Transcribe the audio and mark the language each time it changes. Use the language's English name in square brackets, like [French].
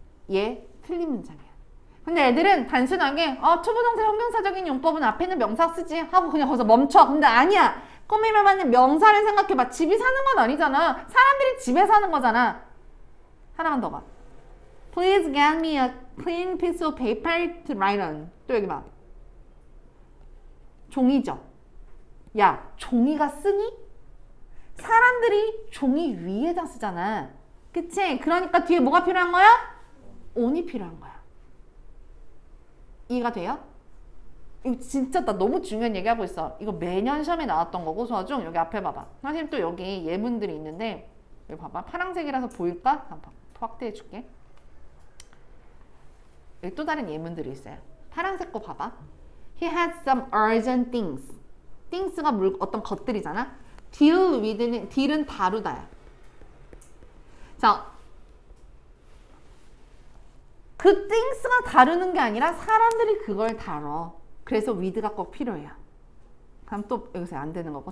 [Korean] 얘 틀린 문장이야. 근데 애들은 단순하게 투부정사 형용사적인 용법은 앞에는 명사 쓰지 하고 그냥 거기서 멈춰. 근데 아니야. 꾸밈을 받는 명사를 생각해봐. 집이 사는 건 아니잖아. 사람들이 집에 사는 거잖아. 하나만 더 봐. [English] Please get me a clean piece of paper to write on. [Korean] 또 여기 봐. 종이죠. 야, 종이가 쓰니? 사람들이 종이 위에다 쓰잖아. 그치? 그러니까 뒤에 뭐가 필요한 거야? 온이 필요한 거야. 이해가 돼요? 이거 진짜 나 너무 중요한 얘기하고 있어. 이거 매년 시험에 나왔던 거고, 소화 중. 여기 앞에 봐봐. 선생님 또 여기 예문들이 있는데, 여기 봐봐. 파란색이라서 보일까? 한번 확대해 줄게. 여기 또 다른 예문들이 있어요. 파란색 거 봐봐. [English] He had some urgent things. [Korean] Things가 어떤 것들이잖아. Deal with는, deal은 다루다야. 자, 그 things가 다루는 게 아니라 사람들이 그걸 다뤄. 그래서 with가 꼭 필요해요. 그럼 또 여기서 안 되는 거고.